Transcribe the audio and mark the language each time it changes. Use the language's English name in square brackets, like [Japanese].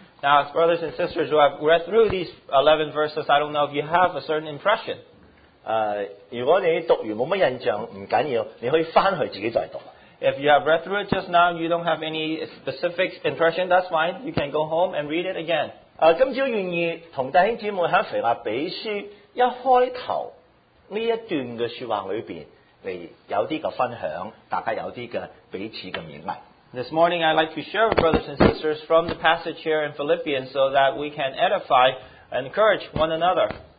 [English] Now, brothers and sisters who have read through these 11 verses, I don't know if you have a certain impression. [Chinese] 如果你读完没什么印象,不要紧,你可以回去自己再读。 [English] If you have read through it just now, you don't have any specific impression, that's fine. You can go home and read it again. [Chinese] 今早愿意和弟兄姊妹在腓立比书一开头这一段的说话里面,有些分享,大家有些彼此的勉励。 [English] This morning, I'd like to share with brothers and sisters from the passage here in Philippians so that we can edify and encourage one another.